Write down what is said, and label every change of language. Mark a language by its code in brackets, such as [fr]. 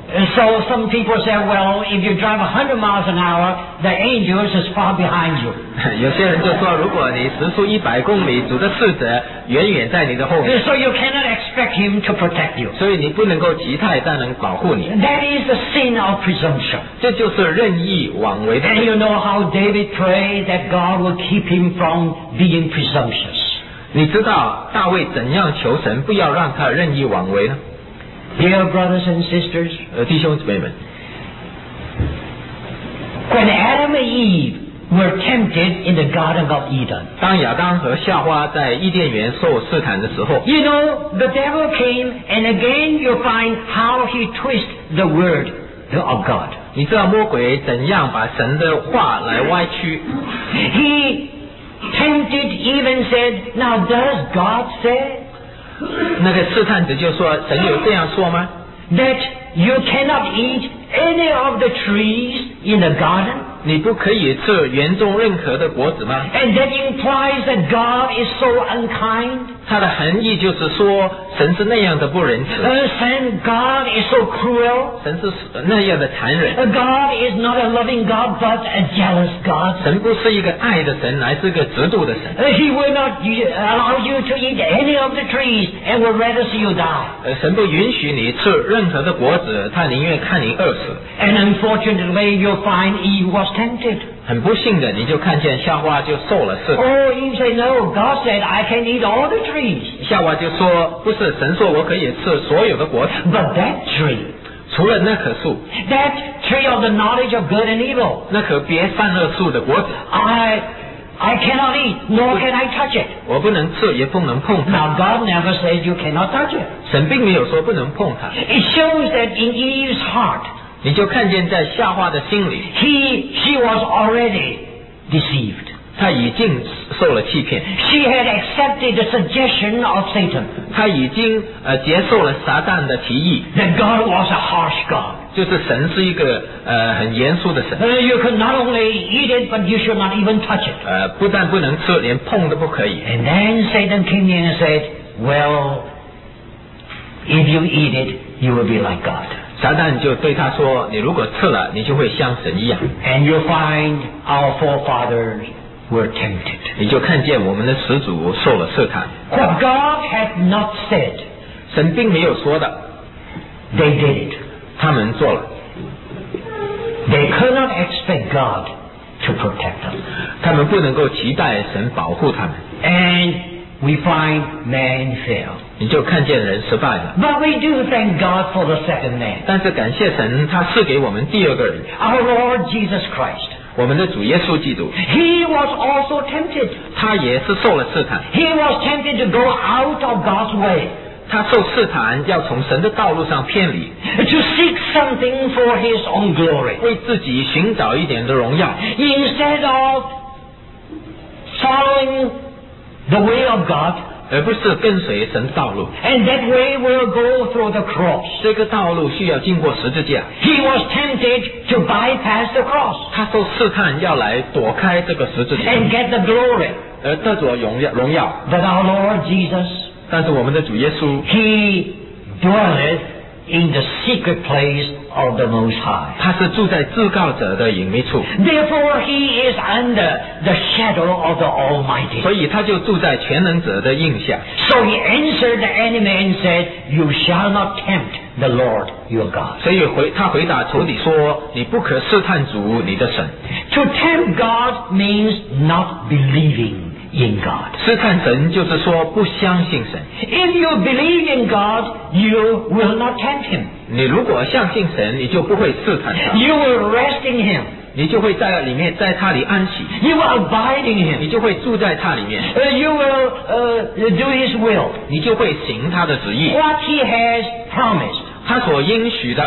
[en] And so some people say, well, if you drive 100 miles an hour, the angel is far behind you. [zh] 有些人就说如果你时速100公里主的使者远远在你的后面。 [en] So you cannot expect him to protect you. [zh] 所以你不能够期待他能保护你。 [en] That is the sin of presumption. [zh] 这就是任意妄为的。 [en] And you know how David prayed that God will keep him from being presumptuous. [zh] 你知道大卫怎样求神不要让他任意妄为呢 [en] Dear brothers and sisters, [zh] 弟兄姊妹们 [en] When Adam and Eve were tempted in the Garden of Eden, [zh] 当亚当和夏娃在伊甸园受试探的时候 [en] You know, the devil came and again you'll find how he twist the word of God. [zh] 你知道魔鬼怎样把神的话来歪曲 [en] He... Tempted even said, now does God say? [zh] 那个试探者就说，神有这样说吗？ [en] That you cannot eat any of the trees in the garden? [zh] 你不可以吃园中任何的果子吗？ [en] And that implies that God is so unkind? [zh] 他的含义就是说，神是那样的不仁慈。 [en] Then God is so cruel? [zh] 神是那样的残忍。 [en] God is not a loving God, but a jealous God. [zh] 神不是一个爱的神，乃是个嫉妒的神。 [en] He will not allow you to eat any of the trees and will rather see you die. [zh] 神不允许你吃任何的果子，他宁愿看你饿死。 [en] And unfortunately, you'll find Eve was tempted. [zh] 很不幸的，你就看见夏娃就受了试探。 [en] Oh, you say no. God said I can eat all the trees. [zh] 夏娃就说，不是神说我可以吃所有的果子。 [en] But that tree, [zh] 除了那棵树。 [en] That tree of the knowledge of good and evil. [zh] 那棵别善恶树的果子。 [en] I cannot eat, nor can I touch it. [zh] 我不能吃，也不能碰它。 [en] Now God never said you cannot touch it. [zh] 神并没有说不能碰它。 [en] It shows that in Eve's heart. [zh] 你就看见在夏娃的心里 [en] She was already deceived. [zh] 她已经受了欺骗。 [en] She had accepted the suggestion of Satan. [zh] 她已经接受了撒旦的提议。 [en] That God was a harsh God. [zh] 就是神是一个很严肃的神。 [en] You could not only eat it, but you should not even touch it. [zh] 不但不能吃，连碰都不可以。 [en] And then Satan came in and said, Well, if you eat it, you will be like God. [zh] 撒旦就对他说：“你如果吃了，你就会像神一样。” [en] And you find our forefathers were tempted. [zh] 你就看见我们的始祖受了试探。 [en] What God had not said, [zh] 神并没有说的。 [en] They did it. [zh] 他们做了。 [en] They could not expect God to protect them. [zh] 他们不能够期待神保护他们。 [en] And we find man failed. [zh] 你就看见人失败了。 [en] But we do thank God for the second man. [zh] 但是感谢神，他赐给我们第二个人。 [en] Our Lord Jesus Christ. [zh] 我们的主耶稣基督。 [en] He was also tempted. [zh] 他也是受了试探。 [en] He was tempted to go out of God's way. [zh] 他受试探要从神的道路上偏离 [en] to seek something for his own glory [zh] 为自己寻找一点的荣耀 [en] instead of following the way of God [zh] 而不是跟随神的道路 [en] and that way will go through the cross [zh] 这个道路需要经过十字架 [en] he was tempted to bypass the cross [zh] 他受试探要来躲开这个十字架 [en] and get the glory [zh] 而得着荣耀 [en] that our Lord Jesus [zh] 但是我们的主耶稣 [en] He dwelleth in the secret place of the Most High [zh] 他是住在至高者的隐秘处 [en] Therefore he is under the shadow of the Almighty [zh] 所以他就住在全能者的荫下 [en] So he answered the enemy and said You shall not tempt the Lord your God [zh] 所以他回答仇敌说你不可试探主你的神 [en] To tempt God means not believing in God [zh] 试探神就是说不相信神 [en] If you believe in God you will not tempt him [zh] 你如果相信神你就不会试探他 [en] You will rest in him [zh] 你就会在里面在他里安息 [en] You will abide in him [zh] 你就会住在他里面 [en] You will do his will [zh] 你就会行他的旨意 [en] What he has promised [zh] 他所应许的